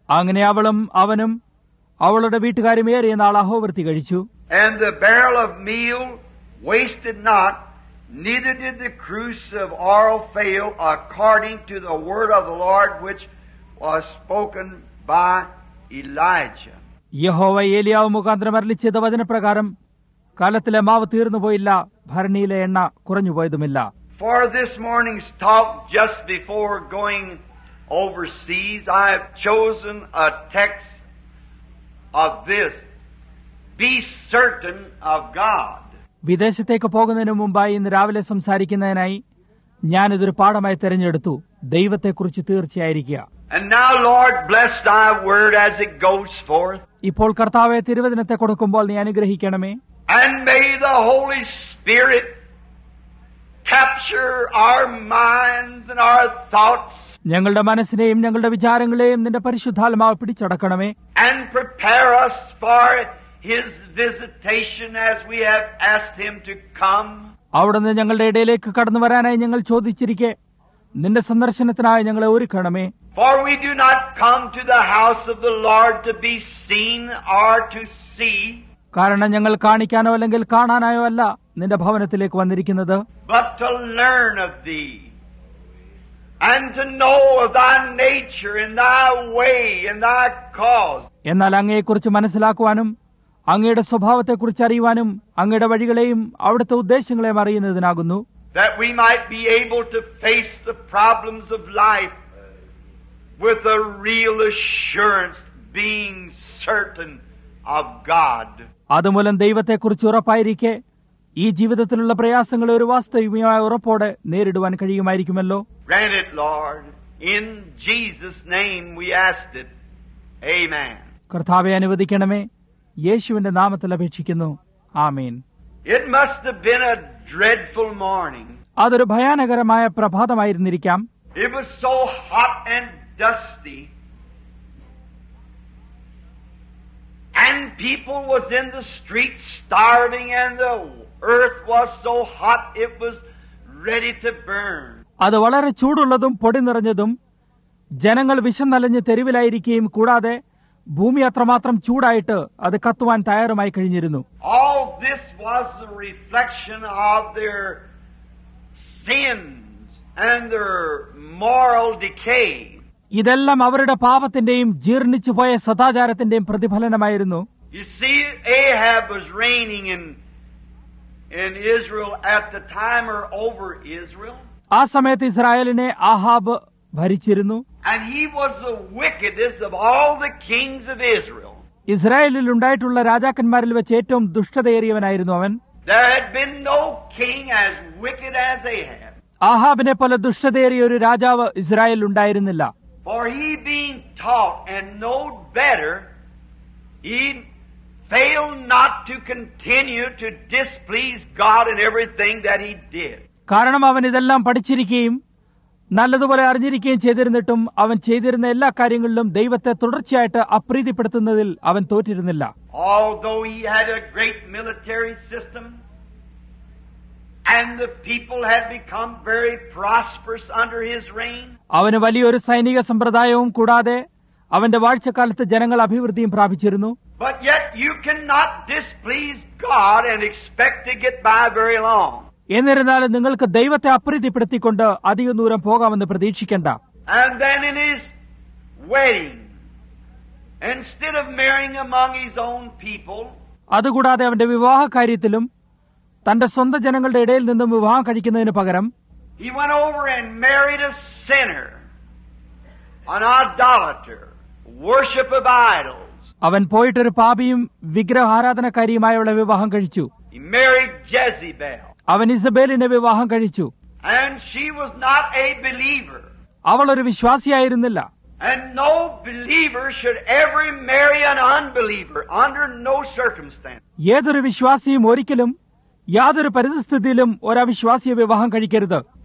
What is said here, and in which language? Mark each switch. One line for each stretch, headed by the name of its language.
Malayalam: അങ്ങനെ അവളും അവനും അവളുടെ വീട്ടുകാരും ഏറിയ നാൾ അഹോവൃത്തി കഴിച്ചു.
English: And the barrel of meal wasted not, neither did the cruse of oil fail, according to the word of the Lord which was spoken by Elijah.
Malayalam: യഹോവ ഏലിയാവ് മുഖാന്തരം അരുളിച്ചെയ്ത വചനപ്രകാരം കാലത്തിലെ മാവ് തീർന്നു പോയില്ല, ഭരണിയിലെ എണ്ണ കുറഞ്ഞു പോയതുമില്ല.
English: For this morning's talk, just before going overseas, I have chosen a text of this. Be certain of God.
Malayalam: വിദേശത്തേക്ക് പോകുന്നതിന് മുമ്പായി ഇന്ന് രാവിലെ സംസാരിക്കുന്നതിനായി ഞാനിതൊരു പാഠമായി തെരഞ്ഞെടുത്തു. ദൈവത്തെക്കുറിച്ച് തീർച്ചയായിരിക്കുക.
English: And now, Lord, bless thy word as it goes forth.
Malayalam: ഇപ്പോൾ കർത്താവേ തിരുവചനത്തെ കൊടുക്കുമ്പോൾ നീ അനുഗ്രഹിക്കണമേ.
English: And may the Holy Spirit capture our minds and our thoughts.
Malayalam: ഞങ്ങളുടെ മനസ്സിനെയും ഞങ്ങളുടെ വിചാരങ്ങളെയും നിന്റെ പരിശുദ്ധാത്മാവ് പിടിച്ചടക്കണമേ.
English: And prepare us for his visitation as we have asked him to come.
Malayalam: അവിടുന്ന് ഞങ്ങളുടെ ഇടയിലേക്ക് കടന്നു വരാനായി ഞങ്ങൾ ചോദിച്ചിരിക്കെ നിന്റെ സന്ദർശനത്തിനായി ഞങ്ങളെ ഒരുക്കണമേ.
English: For we do not come to the house of the Lord to be seen or to see.
Malayalam: കാരണം ഞങ്ങൾ കാണിക്കാനോ അല്ലെങ്കിൽ കാണാനായോ അല്ല നിന്റെ ഭവനത്തിലേക്ക് വന്നിരിക്കുന്നത്.
English: But to learn of thee and to know of thy nature and thy way and thy cause.
Malayalam: എന്നാൽ അങ്ങയെക്കുറിച്ച് മനസ്സിലാക്കുവാനും അങ്ങയുടെ സ്വഭാവത്തെക്കുറിച്ച് അറിയുവാനും അങ്ങയുടെ വഴികളെയും അവിടുത്തെ ഉദ്ദേശങ്ങളെയും അറിയുന്നതിനാകുന്നു.
English: That we might be able to face the problems of life with a real assurance, being certain of God.
Malayalam: അതുമൂലം ദൈവത്തെക്കുറിച്ച് ഉറപ്പായിരിക്കെ ഈ ജീവിതത്തിലുള്ള പ്രയാസങ്ങളെ ഒരു വാസ്തവികമായ ഉറപ്പോടെ നേരിടുവാൻ കഴിയുമായിരിക്കുമല്ലോ.
English: Grant it, Lord. In Jesus' name we ask it. Amen.
Malayalam: കർത്താവേ അനുവദിക്കണമേ. യേശുവിന്റെ നാമത്തിൽ അപേക്ഷിക്കുന്നു. ആമീൻ.
English: It must have been a dreadful morning.
Malayalam: അതൊരു ഭയാനകരമായ പ്രഭാതമായിരുന്നിരിക്കാം.
English: It was so hot and dusty. And people was in the streets starving, and the earth was so hot it was ready to burn.
Malayalam: അത് വളരെ ചൂടുള്ളതും പൊടി നിറഞ്ഞതും ജനങ്ങൾ വിശന്നലഞ്ഞ് തെരുവിലായിരിക്കുകയും കൂടാതെ ഭൂമി അത്രമാത്രം ചൂടായിട്ട് അത് കത്തുവാൻ തയ്യാറുമായി കഴിഞ്ഞിരുന്നു.
English: All this was the reflection of their sins and their moral decay.
Malayalam: ഇതെല്ലാം അവരുടെ പാപത്തിന്റെയും ജീർണിച്ചു പോയ സദാചാരത്തിന്റെയും പ്രതിഫലനമായിരുന്നു.
English: You see, Ahab was reigning in Israel at the time or over Israel.
Malayalam: ആ സമയത്ത് ഇസ്രായേലിനെ Ahab ഭരിച്ചിരുന്നു.
English: And he was the wickedest of all the kings of Israel.
Malayalam: ഇസ്രായേലിൽ ഉണ്ടായിട്ടുള്ള രാജാക്കന്മാരിൽ വെച്ച് ഏറ്റവും ദുഷ്ടതയേറിയവനായിരുന്നു അവൻ.
English: There had been no king as wicked as Ahab.
Malayalam: ആഹാബിനെ പോലെ ദുഷ്ടതയേറിയ ഒരു രാജാവ് ഇസ്രായേലിൽ ഉണ്ടായിരുന്നില്ല.
English: For he being taught and known better, he failed not to continue to displease God in everything that he did.
Malayalam: കാരണം അവൻ ഇതെല്ലാം പഠിച്ചിരിക്കുകയും നല്ലതുപോലെ അറിഞ്ഞിരിക്കുകയും ചെയ്തിരുന്നിട്ടും അവൻ ചെയ്തിരുന്ന എല്ലാ കാര്യങ്ങളിലും ദൈവത്തെ തുടർച്ചയായിട്ട് അപ്രീതിപ്പെടുത്തുന്നതിൽ അവൻ തോറ്റിരുന്നില്ല.
English: Although he had a great military system and the people had become very prosperous under his reign.
Malayalam: അവന് വലിയൊരു സൈനിക സമ്പ്രദായവും കൂടാതെ അവന്റെ വാഴ്ചക്കാലത്ത് ജനങ്ങൾ അഭിവൃദ്ധിയും പ്രാപിച്ചിരുന്നു.
English: But yet you cannot displease God and expect to get by very long.
Malayalam: എന്നിരുന്നാലും നിങ്ങൾക്ക് ദൈവത്തെ അപ്രീതിപ്പെടുത്തിക്കൊണ്ട് അധികം ദൂരം പോകാമെന്ന് പ്രതീക്ഷിക്കേണ്ട.
English: And then in his wedding, instead of marrying among his own people,
Malayalam: അതുകൂടാതെ അവന്റെ വിവാഹ കാര്യത്തിലും തന്റെ സ്വന്തം ജനങ്ങളുടെ ഇടയിൽ നിന്നും വിവാഹം കഴിക്കുന്നതിന് പകരം
English: He went over and married a sinner, an idolater, worship of idols.
Malayalam: അവൻ പോയിട്ട് ഒരു പാപിയും വിഗ്രഹാരാധനക്കാരിയുമായുള്ള വിവാഹം കഴിച്ചു.
English: He married Jezebel.
Malayalam: അവൻ ഇസബേലിനെ വിവാഹം കഴിച്ചു.
English: And she was not a believer.
Malayalam: അവൾ ഒരു വിശ്വാസിയായിരുന്നില്ല.
English: And no believer should ever marry an unbeliever under no circumstance.
Malayalam: ഏതൊരു വിശ്വാസിയും ഒരിക്കലും യാതൊരു പരിസ്ഥിതിയിലും ഒരു അവിശ്വാസിയെ വിവാഹം കഴിക്കരുത്.